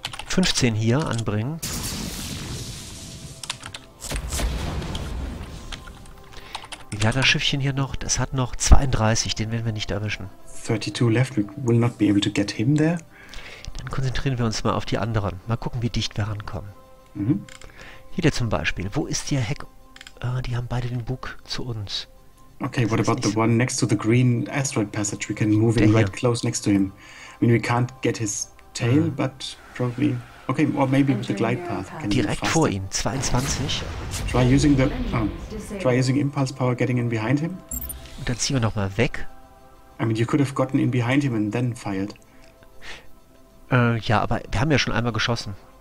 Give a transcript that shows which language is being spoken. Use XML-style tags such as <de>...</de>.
<de>...15 hier anbringen. Wie viel hat das Schiffchen hier noch? Das hat noch 32, den werden wir nicht erwischen.</de> <en>32 left, we will not be able to get him there.</en> <de>Dann konzentrieren wir uns mal auf die anderen. Mal gucken, wie dicht wir rankommen. Mhm. Hier der zum Beispiel. Wo ist der Heck? Die haben beide den Bug zu uns.</de> <en>Okay, das what about the one next to the green asteroid passage? We can move in right close next to him. I mean, we can't get his tail, but... Probably. Okay, or maybe the glide path.</en> <de>Can direkt vor ihm, 22.</de> <en>Try using impulse power, getting in behind him.</en> <de>Und dann ziehen wir nochmal weg.</de> <en>I mean, you could have gotten in behind him and then fired.</en> <de>Ja, aber wir haben ja schon einmal geschossen.</de>